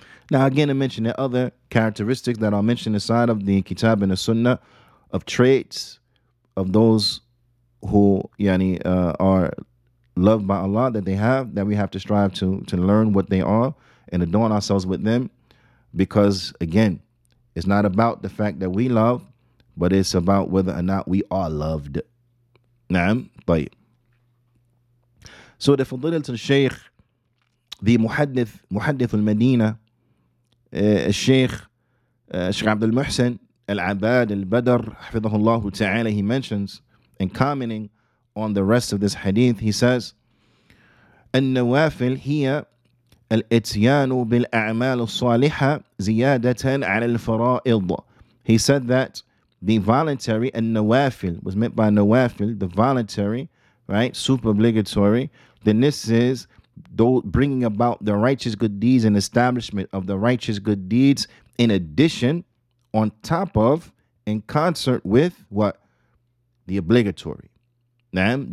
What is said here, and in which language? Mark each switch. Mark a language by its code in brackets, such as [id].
[en] Now, again, I mentioned the other characteristics that I'll mention inside of the Kitab and the Sunnah of traits of those who are loved by Allah, that they have, that we have to strive to learn what they are and adorn ourselves with them. Because, again, it's not about the fact that we love, but it's about whether or not we are loved. [ar] Naam, طيب. [en] So the Fadilat al-Shaykh, the Muhaddith al-Madinah, الشيخ الشيخ عبد المحسن العباد البدر [ar] حفظه الله تعالى, [en] he mentions and commenting on the rest of this hadith, he says [ar] النوافل هي الاتيان بالأعمال الصالحة زيادة على الفرائض. [en] He said that the voluntary النوافل was meant by نوافل, the voluntary, right, super obligatory, then this is bringing about the righteous good deeds and establishment of the righteous good deeds in addition, on top of, in concert with what? The obligatory. Naam?